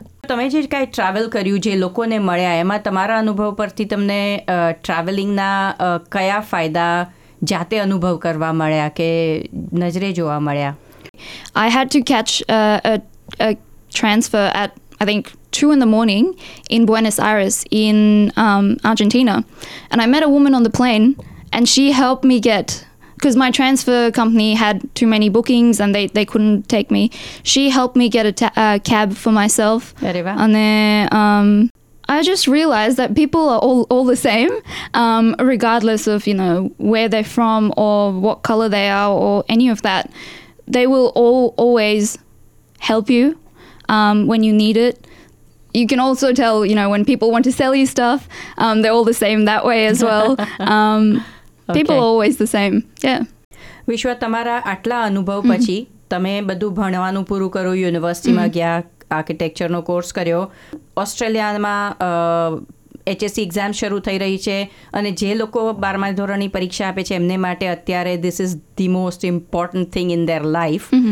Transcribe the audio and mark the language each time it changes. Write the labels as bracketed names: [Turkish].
[Gujarati] તમે જે કાંઈ ટ્રાવેલ કર્યું, જે લોકોને મળ્યા, એમાં તમારા અનુભવ પરથી તમને ટ્રાવેલિંગના કયા ફાયદા જાતે અનુભવ કરવા મળ્યા કે નજરે જોવા મળ્યા? [English] I had to catch a transfer at I think 2 in the morning in Buenos Aires in Argentina, and I met a woman on the plane and she helped me get, because my transfer company had too many bookings and they couldn't take me. She helped me get a cab for myself. [Spanish] Arriba. [English] And then I just realized that people are all the same, regardless of, you know, where they're from or what color they are or any of that. They will always help you when you need it. You can also tell, you know, when people want to sell you stuff, they're all the same that way as well. Okay. People are always the same. Yeah. [Gujarati] Vishwa, tamara atla anubhav pachi tame badu bhanvanu puru karo university ma gya આર્કિટેક્ચરનો course કર્યો, ઓસ્ટ્રેલિયામાં HSC exam શરૂ થઈ રહી છે અને જે લોકો 12મા ધોરણની પરીક્ષા આપે છે એમને માટે અત્યારે [English] This is the most important thing in their life.